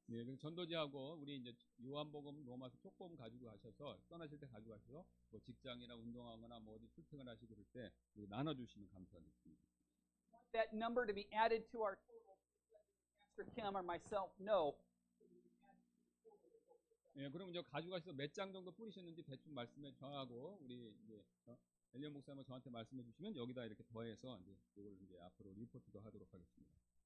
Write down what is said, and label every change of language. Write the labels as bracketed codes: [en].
[ko] 예, 그래서 전도지하고 우리 이제 요한복음, 로마서 쪽복음 가지고 가셔서 떠나실 때 가지고 가셔서 뭐 직장이나 운동하거나 뭐 어디 출퇴근 하시고 그럴 때 나눠 주시면 감사하겠습니다. [en] That number to be added to our total, Pastor Kim or myself, no. [ko] 예, 그러면 저 가지고 가셔서 몇 장 정도 뿌리셨는지 대충 말씀해 정하고 우리 이제 엘리엄 목사님 저한테 말씀해 주시면 여기다 이렇게 더해서 이제 이걸 이제 앞으로 리포트도 하도록 하겠습니다.